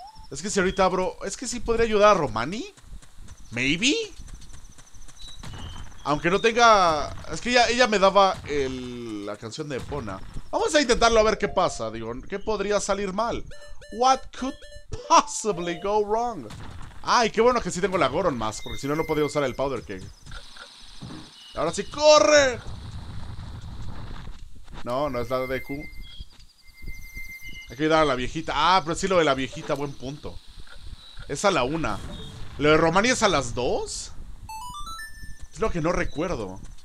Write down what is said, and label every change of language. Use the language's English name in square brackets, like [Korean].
[Spanish] Es que si ahorita abro... Es que sí podría ayudar a Romani. [English] Maybe. [Spanish] Aunque no tenga... Es que ella me daba el... La canción de Epona. Vamos a intentarlo a ver qué pasa. Digo, ¿qué podría salir mal? [English] What could possibly go wrong? [Spanish] Ay, qué bueno que sí tengo la Goron Mask, porque si no, no podía usar el Powder Keg. ¡Ahora sí, corre! No, no es la de Deku. Hay que ayudar a la viejita. Ah, pero sí lo de la viejita, buen punto. Es a la una. ¿Lo de Romani es a las dos? Es lo que no recuerdo.